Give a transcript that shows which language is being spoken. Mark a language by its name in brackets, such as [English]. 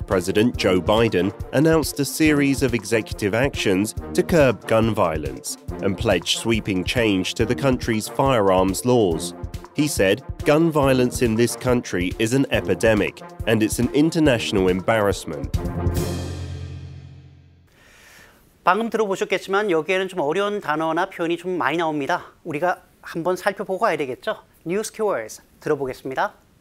[English] President Joe Biden announced a series of executive actions to curb gun violence and pledged sweeping change to the country's firearms laws. He said, "Gun violence in this country is an epidemic, and it's an international embarrassment." [Korean] 방금 들어보셨겠지만 여기에는 좀 어려운 단어나 표현이 좀 많이 나옵니다. 우리가 한번 살펴보고 가야 되겠죠? News keywords 들어보겠습니다.